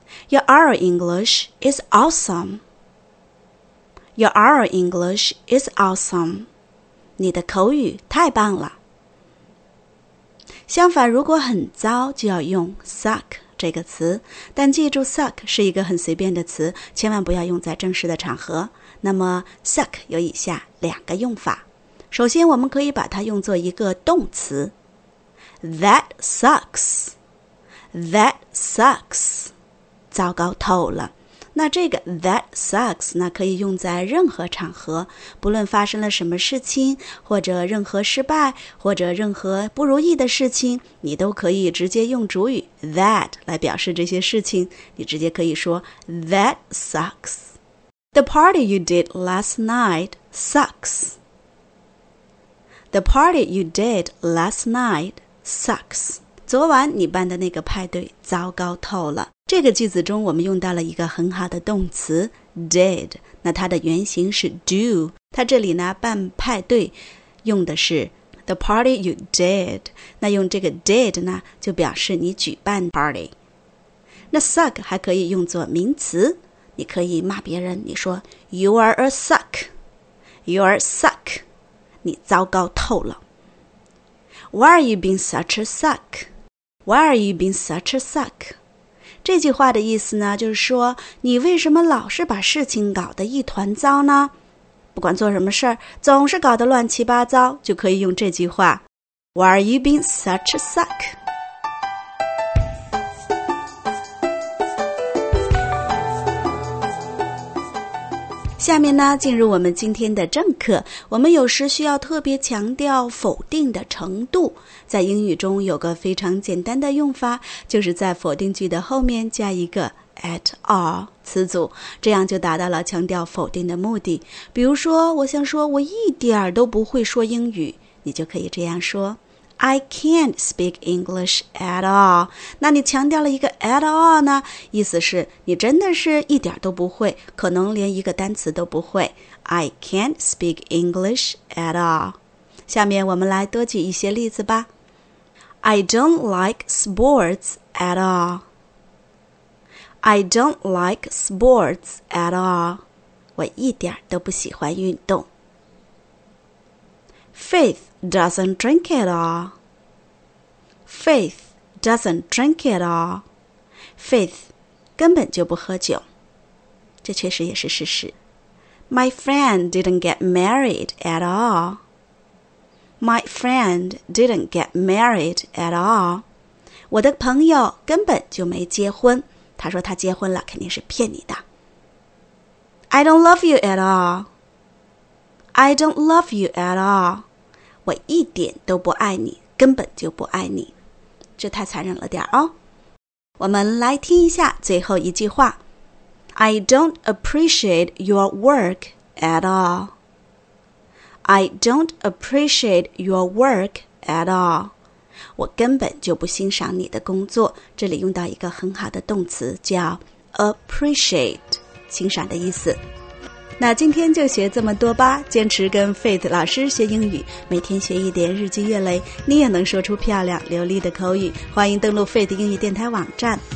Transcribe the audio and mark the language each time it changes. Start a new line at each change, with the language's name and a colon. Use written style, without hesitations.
English: Your oral English is awesome. Your oral English is awesome.
Chinese: 你的口语太棒了。相反，如果很糟，就要用 suck 这个词。但记住 suck 是一个很随便的词，千万不要用在正式的场合。那么 suck 有以下两个用法。首先，我们可以把它用作一个动词 ，
English: that sucks， that sucks，
Chinese: 糟糕透了。那这个
English: that sucks
Chinese: 呢，可以用在任何场合，不论发生了什么事情，或者任何失败，或者任何不如意的事情，你都可以直接用主语 that 来表示这些事情。你直接可以说
English: that sucks。 The party you did last night sucks. The party you did last night sucks.
Chinese: 昨晚你办的那个派对糟糕透了。这个句子中我们用到了一个很好的动词 did， 那它的原型是 do， 它这里呢办派对用的是
English: the party you did，
Chinese: 那用这个 did 呢就表示你举办 party。那 suck 还可以用作名词，你可以骂别人，你说
English: You are a suck. You are a suck.
Chinese: 你糟糕透了。
English: Why are you being such a suck? Why are you being such a suck?
Chinese: 这句话的意思呢，就是说你为什么老是把事情搞得一团糟呢？不管做什么事儿，总是搞得乱七八糟，就可以用这句话。
English: Why are you being such a suck?
Chinese: 下面呢，进入我们今天的正课。我们有时需要特别强调否定的程度。在英语中有个非常简单的用法，就是在否定句的后面加一个 at all 词组，这样就达到了强调否定的目的。比如说，我想说我一点儿都不会说英语，你就可以这样说
English: I can't speak English at all。
Chinese: 那你强调了一个 at all 呢，意思是你真的是一点都不会，可能连一个单词都不会。
English: I can't speak English at all。
Chinese: 下面我们来多举一些例子吧。
English: I don't like sports at all. I don't like sports at all.
Chinese: 我一点都不喜欢运动。
English: Faith doesn't drink at all. Faith doesn't drink at all.
Chinese: Faith 根本就不喝酒。这确实也是事实。
English: My friend didn't get married at all. My friend didn't get married at all.
Chinese: 我的朋友根本就没结婚。他说他结婚了，肯定是骗你的。
English: I don't love you at all. I don't love you at all.
Chinese: 我一点都不爱你，根本就不爱你，这太残忍了点哦。我们来听一下最后一句话
English: I don't appreciate your work at all. I don't appreciate your work at all.
Chinese: 我根本就不欣赏你的工作。这里用到一个很好的动词叫 appreciate， 欣赏的意思。那今天就学这么多吧，坚持跟 Faith 老师学英语，每天学一点，日积月累，你也能说出漂亮流利的口语。欢迎登录 Faith 英语电台网站